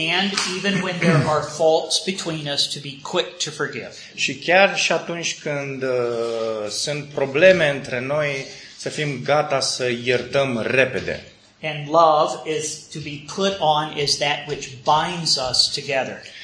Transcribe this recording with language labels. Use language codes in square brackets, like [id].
[en] And even when there are faults between us, to be quick to forgive. [ro] Și chiar și atunci când sunt probleme între noi, să fim gata să iertăm repede. [en] And love is to be put on is that which binds us together.